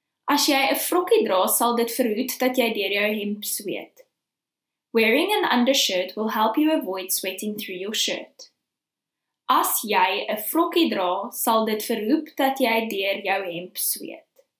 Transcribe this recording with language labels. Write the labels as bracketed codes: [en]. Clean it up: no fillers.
[af] As jy 'n frokkie dra, sal dit verhoed dat jy deur jou hemp sweet. [en] Wearing an undershirt will help you avoid sweating through your shirt. [af] As jy 'n frokkie dra, sal dit verhoed dat jy deur jou hemp sweet.